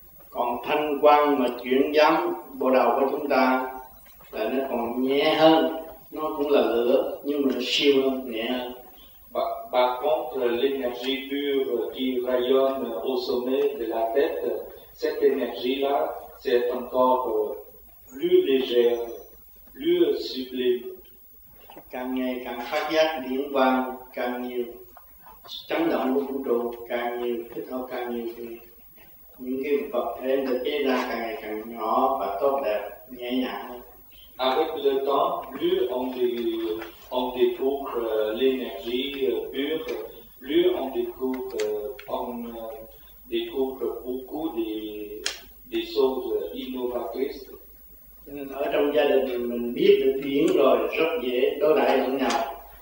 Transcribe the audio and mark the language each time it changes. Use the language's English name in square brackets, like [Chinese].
[Vietnamese] Còn thanh quan mà chuyển giám bộ đầu của chúng ta là nó còn nhẹ hơn, nó cũng là lửa nhưng mà nó siêu hơn, nhẹ hơn. [French] Par contre, l'énergie pure qui rayonne au sommet de la tête, cette énergie-là, c'est encore plus légère, plus sublime. [Vietnamese] Càng ngày càng phát giác điển quang càng nhiều, chấn động của vũ trụ càng nhiều, thích hợp càng nhiều, thì những cái vật thể được chế ra càng ngày càng nhỏ và tốt đẹp, nhẹ nhàng hơn. [French] Avec le temps, plus on découvre l'énergie pure, plus on découvre beaucoup des choses innovatrices. [Vietnamese] Cho nên ở trong gia đình mình biết được điển rồi rất dễ đối đãi lẫn nhau.